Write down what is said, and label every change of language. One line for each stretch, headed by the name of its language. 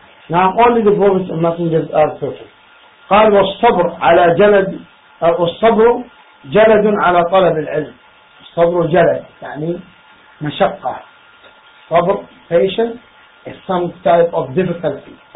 English: Now only the Prophet and Messengers are perfect.
Arabic: قال والصبر على جلد الصبر جلد على طلب العلم. الصبر جلد يعني مشقة.
English: صبر patience is some type of difficulty.